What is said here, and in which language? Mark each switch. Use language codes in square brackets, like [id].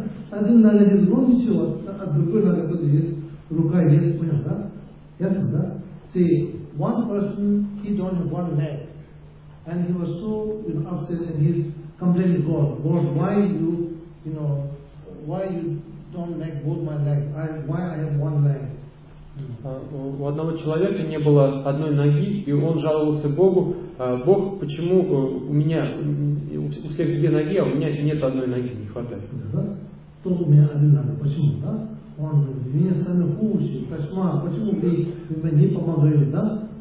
[ru] Один на ноге, но ничего, а другой на ноге есть, рука есть, понял, да? Ясно, да? [en] See, one person, he don't have one leg. And he was so upset, and he's complaining to God. God, why you, you know, why you don't make both my legs? Why I have one leg? [ru] У одного человека не было одной ноги, и он жаловался Богу. Бог, почему у меня, у всех две ноги, а у меня нет одной ноги, не хватает. То у меня одна нога. Почему, да? Он говорит, меня сами хуже, кошмар, почему вы мне не помогли, да?